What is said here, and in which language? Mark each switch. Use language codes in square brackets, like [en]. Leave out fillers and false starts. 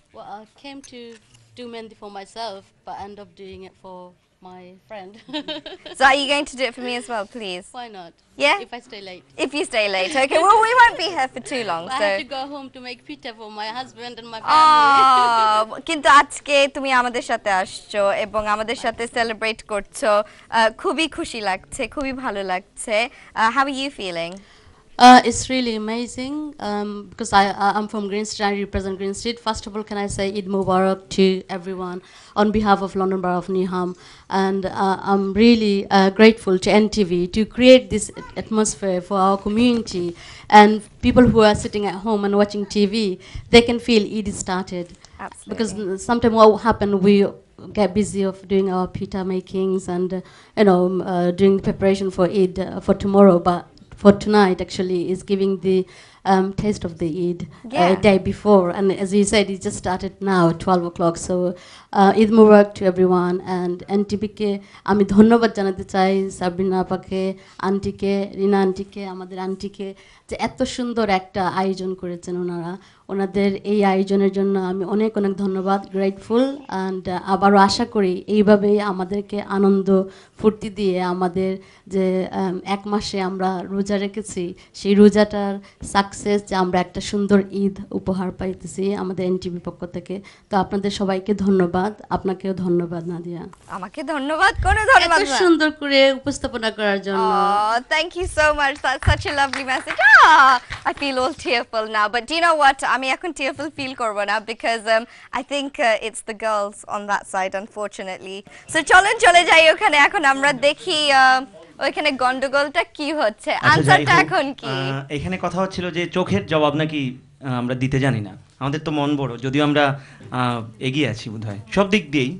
[en] Well, I came to do Mehandi for myself, but end up doing it for my friend. So are you going to do it for me as well, please? Why not? Yeah? If I stay late. If you stay late, okay. Well, we won't be here for too long. So. I have to go home to make pita for my husband and my family. [bn] কিন্তু আজকে তুমি আমাদের সাথে আসছো এবং আমাদের সাথে celebrate করছো, খুবই খুশি লাগছে, খুবই ভালো লাগছে. [en] How are you feeling? It's really amazing because I'm from Green Street. I represent Green Street. First of all, can I say Eid Mubarak to everyone on behalf of London Borough of Newham. And I'm really grateful to NTV to create this atmosphere for our community and people who are sitting at home and watching TV, they can feel Eid is started. Absolutely. Because sometimes what will happen, we get busy of doing our pita makings and you know doing the preparation for Eid for tomorrow, but for tonight actually is giving the taste of the Eid day before. And as you said, it just started now at 12 o'clock. So Eid Mubarak to everyone. [bn] And NTBK, আমি ধন্যবাদ জানাতে চাই সাবিনা আপাকে, আন্টিকে, রিনা আন্টিকে, আমাদের আন্টিকে, যে এত সুন্দর একটা আয়োজন করেছেন ওনারা। ওনাদের এই আয়োজনের জন্য আমি অনেক অনেক ধন্যবাদ, গ্রেটফুল। অ্যান্ড আবারও আশা করি এইভাবেই আমাদেরকে আনন্দ ফুর্তি দিয়ে আমাদের যে এক মাসে আমরা রোজা রেখেছি সেই রোজাটার সাকসেস, যে আমরা একটা সুন্দর ঈদ উপহার পাইতেছি আমাদের এনটিভি পক্ষ থেকে। তো আপনাদের সবাইকে ধন্যবাদ, আপনাকেও ধন্যবাদ নাদিয়া। আমাকে ধন্যবাদ কোনো ধন্যবাদ, এত সুন্দর করে উপস্থাপনা করার জন্য। [en] Thank you so much, that's such a lovely message. I feel all tearful now, but do you know what? I mean, I can feel tearful now because I think it's the girls on that side, unfortunately. [bn] So, cholen chole jai okhane ekhon amra dekhi ওইখানে গন্ডগোলটা কি হচ্ছে, আনসারটা এখন কি? এখানে কথা হচ্ছিল যে চোখের জবাব নাকি আমরা দিতে জানি না, আমাদের তো মন বড়, যদিও আমরা এগিয়ে আছি বোধহয় সব দিক দিয়েই।